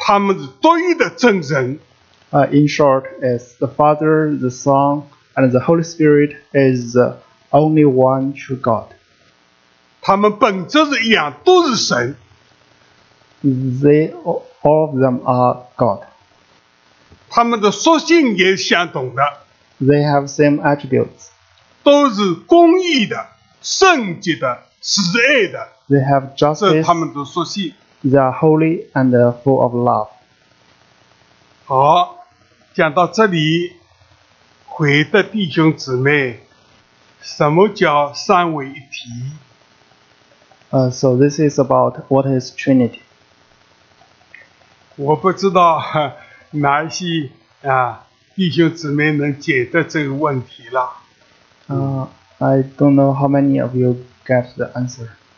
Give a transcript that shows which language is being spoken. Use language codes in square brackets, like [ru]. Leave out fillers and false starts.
[zh] 那简单的讲，父、子、圣灵，那他们是独一的真神。 [en] In short, is the Father, the Son, and the Holy Spirit is the only one true God. [zh] 他们本质是一样，都是神。 [en] They all of them are God. [zh] 他们的属性也相同的。 [en] They have same attributes. [zh] 都是公义的、圣洁的、慈爱的。 [en] They have justice. [zh] 这是他们的属性。 [en] They are holy and full of love. [zh] 好，讲到这里，回答弟兄姊妹，什么叫三位一体？ [en] So this is about what is Trinity. [zh] 我不知道哪一些。弟兄姊妹能解答这个问题了。 [en] I don't know how many of you get the answer.